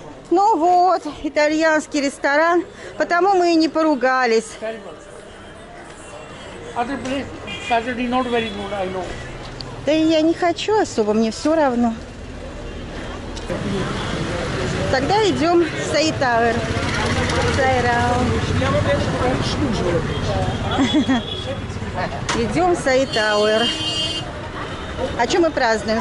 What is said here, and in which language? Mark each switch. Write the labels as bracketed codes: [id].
[ru] Ну вот, итальянский ресторан. Потому мы и не поругались. [en] Other place, Saturday not very good, I know. [ru] Да и я не хочу особо, мне все равно. Тогда идем в Sei Tower. Sei Tower. Идем в Sei Tower. А что мы празднуем?